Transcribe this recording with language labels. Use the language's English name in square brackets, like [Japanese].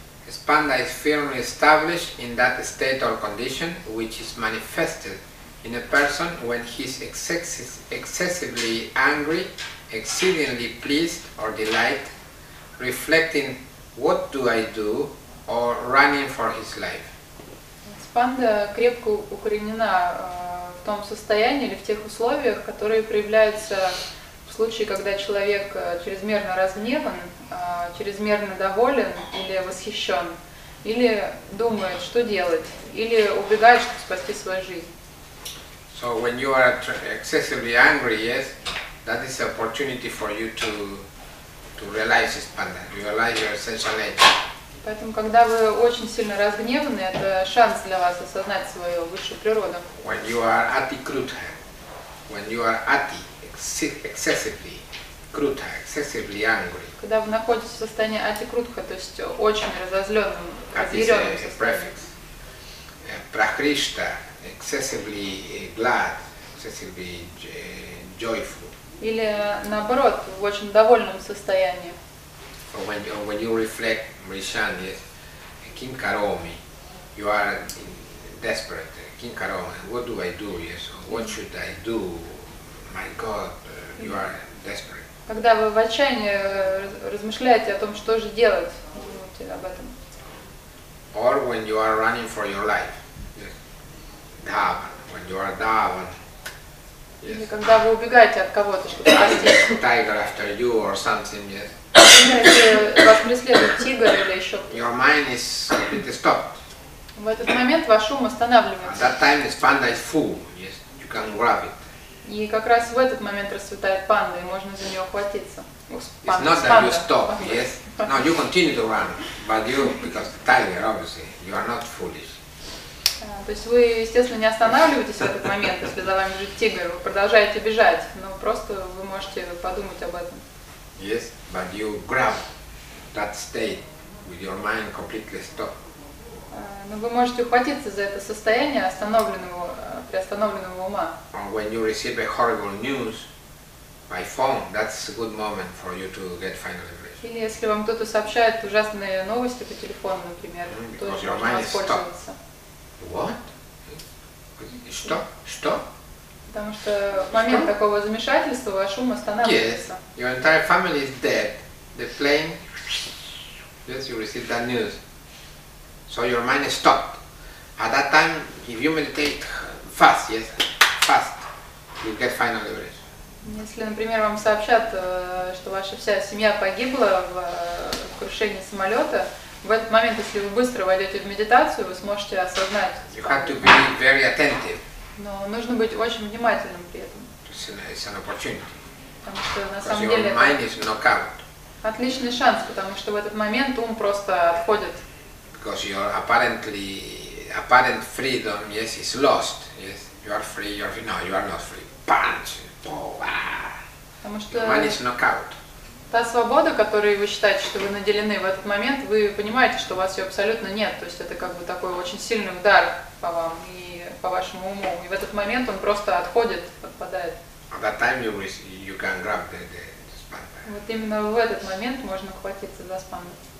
[English] Spanda is firmly established in that state or condition which is manifested in a person when he is excessively angry, exceedingly pleased or delighted, reflecting what do I do or running for his life. [Russian] Спанда крепко укоренена в том состоянии или в тех условиях, которые проявляются в случае, когда человек чрезмерно разгневан, чрезмерно доволен или восхищен, или думает, что делать, или убегает, чтобы спасти свою жизнь. [English] So when you are excessively angry, yes, that is an opportunity for you to realize spanda, realize your essential nature. [Russian] Поэтому когда вы очень сильно разгневаны, это шанс для вас осознать свою высшую природу. [English] When you are ati krutha, when you are ati excessively krutha, excessively angry. [Russian] Когда вы находитесь в состоянии ати крутха, то есть очень разозленным, разъяренным состоянием. [English] Prefix. Прахришта. Excessively glad, excessively joyful. [Russian] Или наоборот, в очень довольном состоянии. [English] When you reflect, Mrishan, yes, Kim Karomi, you are desperate, king Karoma, what do I do, Yeso? What should I do? My God, you are desperate. [Russian] Когда вы в отчаянии размышляете о том, что же делать, думаете об этом. [English] Or when you are running for your life. Dhavan, when you are dhavan. Yes. [Russian] Или когда вы убегаете от кого-то, чтобы спасти. [English] Tiger after you or something, yes. [Russian] Если вас преследует тигр или еще кто-то. [English] Your mind is completely stopped. [Russian] В этот момент ваш ум останавливается. [English] At that time this panda is full, yes, you can grab it. [Russian] И как раз в этот момент расцветает панда, и можно за нее ухватиться. [English] It's not that you stop, yes. No, you continue to run, but you, because the tiger, obviously, you are not foolish. [Russian] То есть вы, естественно, не останавливаетесь в этот момент, если за вами идет тигр, вы продолжаете бежать, но просто вы можете подумать об этом. [English] Yes, but you grab that state with your mind completely stopped. [Russian] Но вы можете ухватиться за это состояние остановленного, приостановленного ума. [English] When you receive a horrible news by phone, that's a good moment for you to get final liberation. [Russian] Или если вам кто-то сообщает ужасные новости по телефону, например, то [English] your mind is stopped. What? [Russian] Что? Что? Потому что в момент что? Такого замешательства ваш ум останавливается. [English] Yes, your entire family is dead. The plane. Yes, you receive that news. So your mind is stopped. At that time, if you meditate fast, yes, fast, you get final liberation. [Russian] Если, например, вам сообщат, что ваша вся семья погибла в крушении самолета, в этот момент, если вы быстро войдете в медитацию, вы сможете осознать. [English] You have to be very attentive. [Russian] Но нужно быть очень внимательным при этом. [English] It's an opportunity. [Russian] Потому что на самом деле. [English] Your mind is knocked out. [Russian] Отличный шанс, потому что в этот момент ум просто отходит. [English] Because your apparently apparent freedom, yes, is lost. Yes, you are free. You are free. No, you are not free. Punch! Oh, ah. Man is knockout. [Russian] Та свобода, которой вы считаете, что вы наделены в этот момент, вы понимаете, что у вас ее абсолютно нет. То есть это как бы такой очень сильный удар по вам и по вашему уму. И в этот момент он просто отходит, отпадает. [English] At that time you can grab the spanda. [Russian] Вот именно в этот момент можно хватиться за спанду.